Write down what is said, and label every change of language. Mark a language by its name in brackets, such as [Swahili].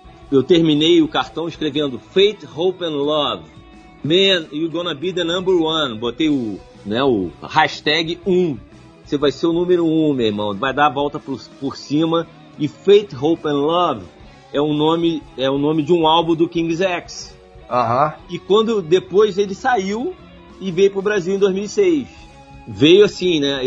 [Portuguese] Eu terminei o cartão escrevendo Faith, Hope and Love. [English] Man, you're gonna be the number one. [Portuguese] Botei o hashtag 1. Você vai ser o número 1, meu irmão. Vai dar a volta por cima. E Faith, Hope and Love é o nome de um álbum do King's X. Uh-huh. E quando depois ele saiu e veio pro Brasil em 2006. Veio assim, né?